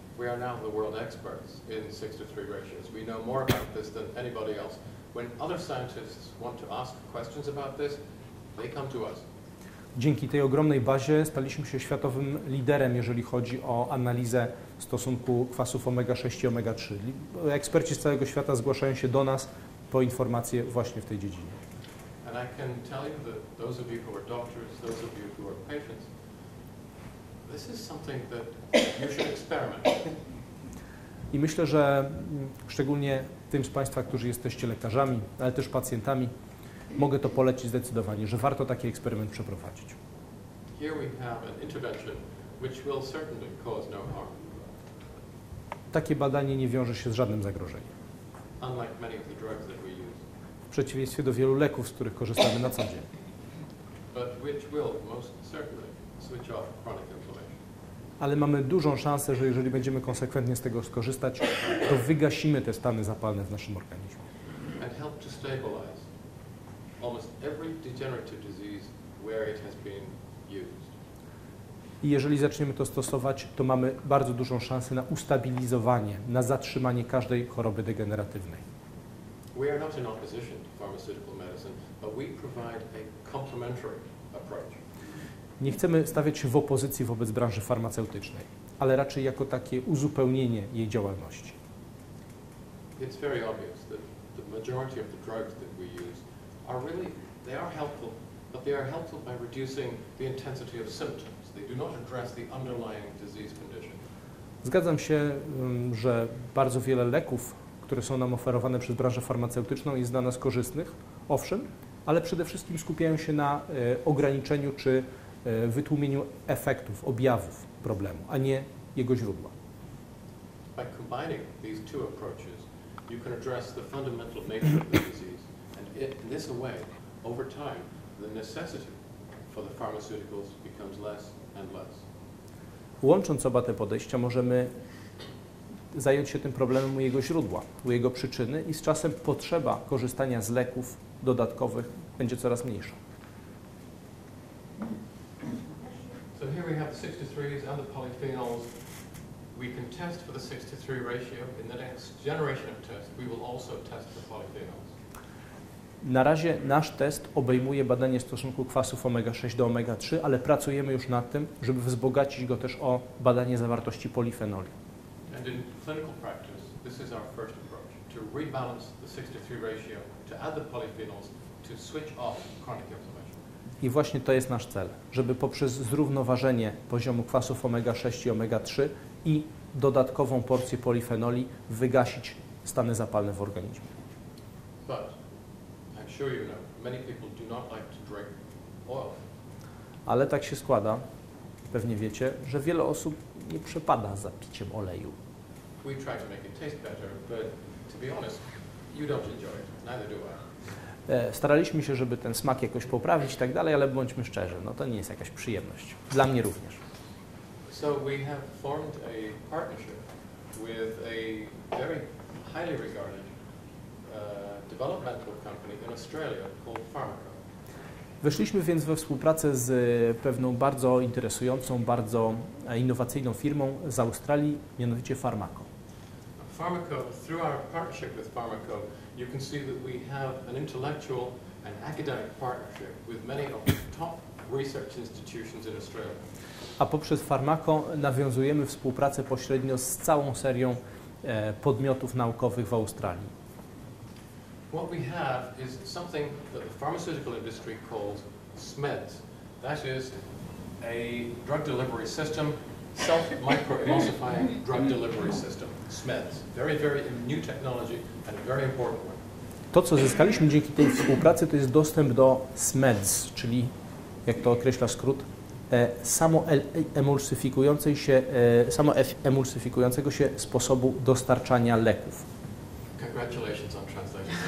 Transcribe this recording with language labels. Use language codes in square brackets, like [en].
[en] We are now the world experts in 6-3 ratios. We know more about this than anybody else. When other scientists want to ask questions about this, they come to us. [pl] Dzięki tej ogromnej bazie staliśmy się światowym liderem, jeżeli chodzi o analizę stosunku kwasów omega-6 i omega-3. Eksperci z całego świata zgłaszają się do nas po informacje właśnie w tej dziedzinie. [en] And I can tell you that those of you who are doctors, those of you who are patients, this is something that you should experiment. [pl] I myślę, że szczególnie tym z Państwa, którzy jesteście lekarzami, ale też pacjentami, mogę to polecić zdecydowanie, że warto taki eksperyment przeprowadzić. [en] Here we have an intervention which will certainly cause no harm. [pl] Takie badanie nie wiąże się z żadnym zagrożeniem. [en] Unlike many of the drugs that we use. [pl] W przeciwieństwie do wielu leków, z których korzystamy na co dzień. [en] But which will most certainly switch off chronic inflammation. [pl] Ale mamy dużą szansę, że jeżeli będziemy konsekwentnie z tego skorzystać, to wygasimy te stany zapalne w naszym organizmie. [en] And help to stabilize almost every degenerative disease where it has been used. [pl] I jeżeli zaczniemy to stosować, to mamy bardzo dużą szansę na ustabilizowanie, na zatrzymanie każdej choroby degeneratywnej. [en] We are not in opposition to pharmaceutical medicine, but we provide a complementary approach. [pl] Nie chcemy stawiać się w opozycji wobec branży farmaceutycznej, ale raczej jako takie uzupełnienie jej działalności. [en] It's very obvious that the majority of the drugs that we use are really, they are helpful, but they are helpful by reducing the intensity of symptoms. They do not address the underlying disease condition. [pl] Zgadzam się, że bardzo wiele leków, które są nam oferowane przez branżę farmaceutyczną, jest dla nas korzystnych, owszem, ale przede wszystkim skupiają się na ograniczeniu czy wytłumieniu efektów, objawów problemu, a nie jego źródła. [en] By combining these two approaches, you can address the fundamental nature of the disease, and in this way, over time, the necessity for the pharmaceuticals becomes less and less. [pl] Łącząc oba te podejścia, możemy zająć się tym problemem u jego źródła, u jego przyczyny i z czasem potrzeba korzystania z leków dodatkowych będzie coraz mniejsza. [en] So here we have the 63s and the polyphenols. We can test for the 63 ratio. In the next generation of tests, we will also test the polyphenols. [pl] Na razie nasz test obejmuje badanie stosunku kwasów omega-6 do omega-3, ale pracujemy już nad tym, żeby wzbogacić go też o badanie zawartości polifenoli. [en] And in clinical practice, this is our first approach, to rebalance the 63 ratio, to add the polyphenols, to switch off chronic inflammation. [pl] I właśnie to jest nasz cel, żeby poprzez zrównoważenie poziomu kwasów omega-6 i omega-3 i dodatkową porcję polifenoli wygasić stany zapalne w organizmie. [en] But, I'm sure you know, many people do not like to drink oil. [pl] Ale tak się składa, pewnie wiecie, że wiele osób nie przepada za piciem oleju. [en] We try to make it taste better, but to be honest, you don't enjoy it. Neither do I. [pl] Staraliśmy się, żeby ten smak jakoś poprawić i tak dalej, ale bądźmy szczerzy, no to nie jest jakaś przyjemność. Dla mnie również. [en] So we have formed a partnership with a very highly regarded developmental company in Australia called Pharmaco. [pl] Weszliśmy więc we współpracę z pewną bardzo interesującą, bardzo innowacyjną firmą z Australii, mianowicie Pharmaco. [en] Pharmaco, through our partnership with Pharmaco, you can see that we have an intellectual and academic partnership with many of the top research institutions in Australia. [pl] A poprzez Pharmaco nawiązujemy współpracę pośrednio z całą serią podmiotów naukowych w Australii. [en] What we have is something that the pharmaceutical industry calls SMEDS. That is a drug delivery system, self-microemulsifying drug delivery system, SMEDS. Very, very new technology and a very important one. [pl] To, co zyskaliśmy dzięki tej współpracy, to jest dostęp do SMEDS, czyli, jak to określa skrót, samoemulsyfikującego się sposobu dostarczania leków. [en] Congratulations on translation.